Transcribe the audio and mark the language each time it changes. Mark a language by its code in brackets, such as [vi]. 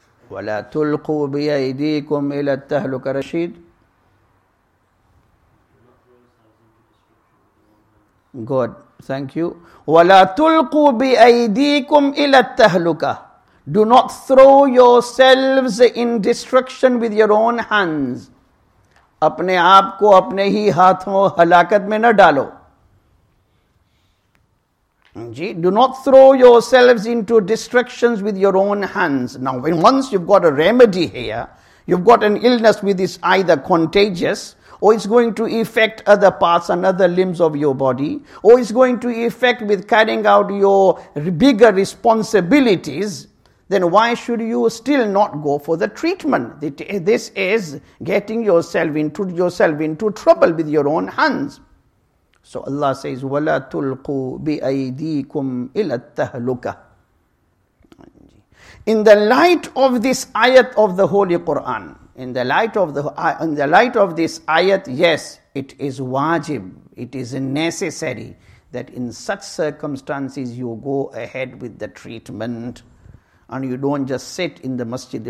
[ar] وَلَا تُلْقُوا بِيَيْدِيكُمْ إِلَى التَّهْلُكَ رَشِيد. [en] Good. Thank you. [ar] وَلَا تُلْقُوا بِيَيْدِيكُمْ إِلَى التَّهْلُكَ. [en] Do not throw yourselves in destruction with your own hands. [ur] اپنے آپ کو اپنے ہی ہاتھوں ہلاکت میں نہ ڈالو. [en] Do not throw yourselves into destructions with your own hands. Now, when once you've got a remedy here, you've got an illness which is either contagious, or it's going to affect other parts and other limbs of your body, or it's going to affect with carrying out your bigger responsibilities, then why should you still not go for the treatment? This is getting yourself into trouble with your own hands. So Allah says, [ar] وَلَا تُلْقُوا بِأَيْدِيكُمْ إِلَى التَّهْلُكَةِ. [en] In the light of this ayat of the Holy Quran, in the light of this ayat, yes, it is wajib, it is necessary that in such circumstances you go ahead with the treatment and you don't just sit in the masjid.